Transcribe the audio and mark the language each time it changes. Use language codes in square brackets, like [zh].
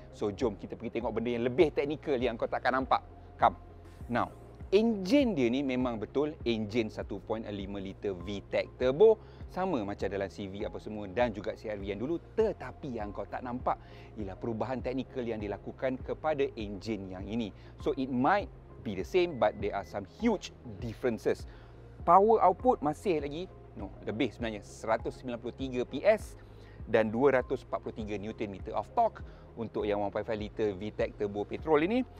[ms] So jom kita pergi tengok benda yang lebih teknikal yang kau takkan nampak. [en] Come. [ms] Now, engine dia ni memang betul engine 1.5 liter VTEC turbo, sama macam dalam CV apa semua dan juga CR-V yang dulu. Tetapi yang kau tak nampak ialah perubahan teknikal yang dilakukan kepada engine yang ini. [en] So it might be the same but there are some huge differences. [ms] Power output masih lagi, lebih sebenarnya, 193 PS dan 243 Nm of torque untuk yang 1.5 liter VTEC turbo petrol ini.